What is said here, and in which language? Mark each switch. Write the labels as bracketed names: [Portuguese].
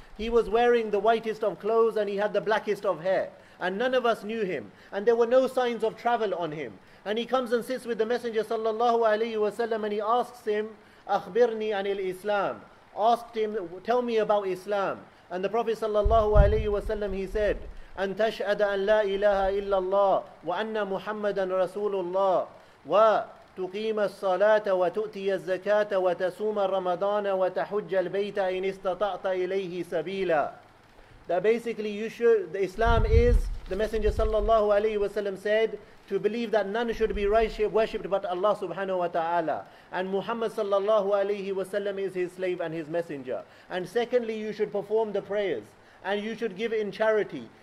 [English] He was wearing the whitest of clothes and he had the blackest of hair. And none of us knew him. And there were no signs of travel on him. And he comes and sits with the Messenger sallallahu alayhi wasallam and he asks him, [Arabic] أخبرني عن الإسلام. [English] Asked him, tell me about Islam. And the Prophet sallallahu alayhi wasallam, he said, [Arabic] أن تشهد أن لا إله إلا الله وأن محمدا رسول الله وتقيم الصلاة وتؤتي الزكاة وتصوم رمضان وتحج البيت إن استطعت إليه سبيلا. [English] That basically you should, the Islam is, the Messenger sallallahu alayhi wasallam said, to believe that none should be worshipped but Allah subhanahu wa ta'ala. And Muhammad sallallahu alayhi wasallam is his slave and his messenger. And secondly, you should perform the prayers. And you should give in charity.